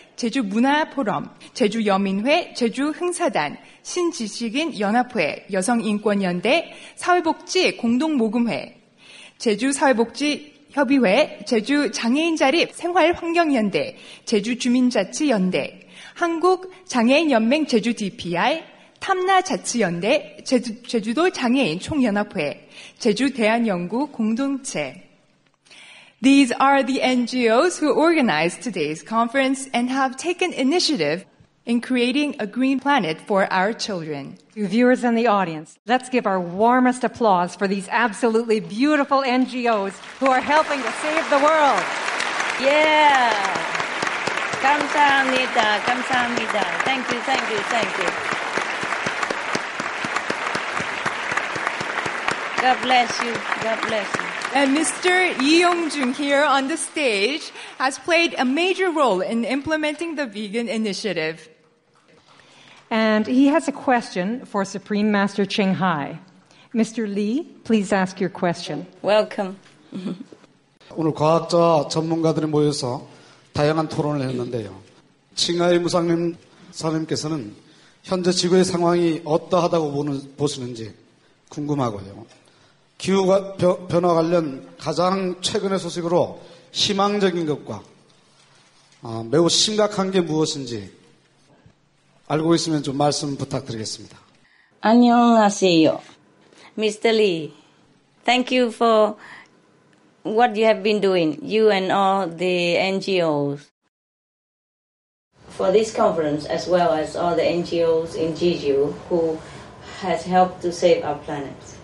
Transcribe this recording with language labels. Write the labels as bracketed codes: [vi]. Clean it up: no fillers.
[ko] 제주 문화 포럼, 제주 여민회, 제주 흥사단, 신지식인 연합회, 여성 인권 연대, 사회복지 공동 모금회, 제주 사회복지 협의회, 제주 장애인 자립 생활 환경 연대, 제주 주민자치 연대, 한국 장애인 연맹 제주 DPI, 탐나 자치 연대, 제주도 장애인 총연합회, 제주 대한 연구 공동체. [en] These are the NGOs who organized today's conference and have taken initiative in creating a green planet for our children. To viewers and the audience, let's give our warmest applause for these absolutely beautiful NGOs who are helping to save the world. [ko] Yeah. 감사합니다. 감사합니다. [en] Thank you, thank you, thank you. God bless you. God bless you. And Mr. Lee Yong-jun here on the stage has played a major role in implementing the vegan initiative. And he has a question for Supreme Master Ching Hai. Mr. Lee, please ask your question. Welcome. [ko] 오늘 과학자 전문가들이 모여서 다양한 토론을 했는데요. 칭하이 무상님 사님께서는 현재 지구의 상황이 어떠하다고 보시는지 궁금하고요. 기후 변화 관련 가장 최근의 소식으로 희망적인 것과 매우 심각한 게 무엇인지 알고 있으면 좀 말씀 부탁드리겠습니다. 안녕하세요. Mr. [en] Lee, thank you for what you have been doing, you and all the NGOs. For this conference, as well as all the NGOs in Jeju who has helped to save our planet.